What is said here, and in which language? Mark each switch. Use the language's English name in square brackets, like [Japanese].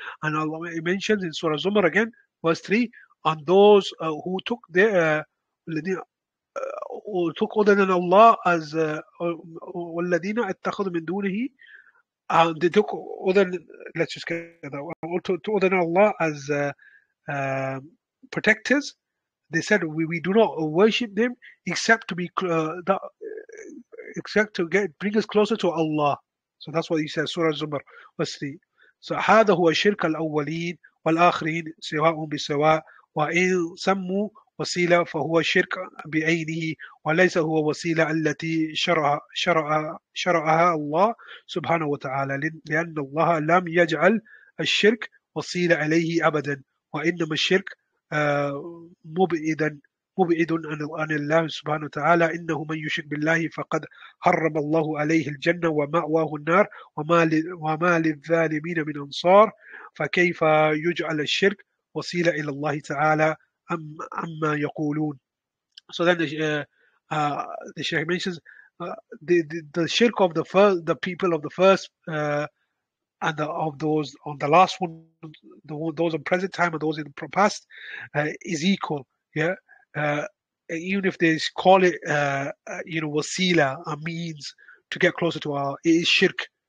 [English] And Allah mentions in Surah Zumar again, verse 3, and those who took took other than Allah as [Arabic] وَالَّذِينَ اتَّخَذُوا مِن دُونِهِ, [English] and they took other, let's just get that one, to other than Allah as protectors, they said, we do not worship them except to be bring us closer to Allah. So that's what he says, Surah Zumar, verse 3. [Arabic] So هذا هو الشرك الأولين والآخرين سواء بسواء وإن سموا وسيلة فهو شرك بعينه وليس هو وسيلة التي شرعها الله سبحانه وتعالى لأن الله لم يجعل الشرك وسيلة عليه أبدا وإنما الشرك مبعد عن الله سبحانه وتعالى إنه من يشرك بالله فقد حرم الله عليه الجنة ومأواه النار وما للظالمين من أنصار فكيف يجعل الشرك وسيلة إلى الله تعالى أما يقولون. [English] So then the Shaykh mentions the shirk of the people of the first and of those on the last one, those in present time and those in the past, is equal. Yeah, even if they call it wasila, a means to get closer to Allah, it is shirk.